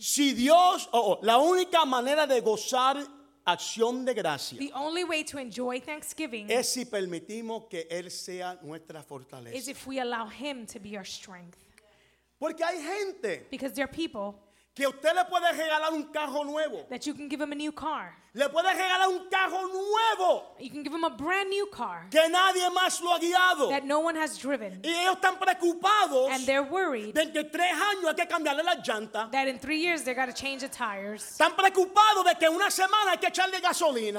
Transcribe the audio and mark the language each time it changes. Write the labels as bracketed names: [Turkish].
[Spanish] si Dios, la única manera de gozar acción de gracia. [English] The only way to enjoy thanksgiving [Spanish] es si permitimos que Él sea nuestra fortaleza. [English] Is if we allow Him to be our strength. [Spanish] Porque hay gente, [English] because there are people, [Spanish] que usted le puede regalar un carro nuevo. [English] That you can give him a new car. [Spanish] Le puede regalar un carro nuevo. [English] You can give him a brand new car. [Spanish] Que nadie más lo ha guiado. [English] That no one has driven. [Spanish] Y ellos están preocupados. [English] And they're worried. [Spanish] De que 3 años hay que cambiarle la llanta. [English] That in 3 years they got to change the tires. [Spanish] Están preocupados de que una semana hay que echarle gasolina.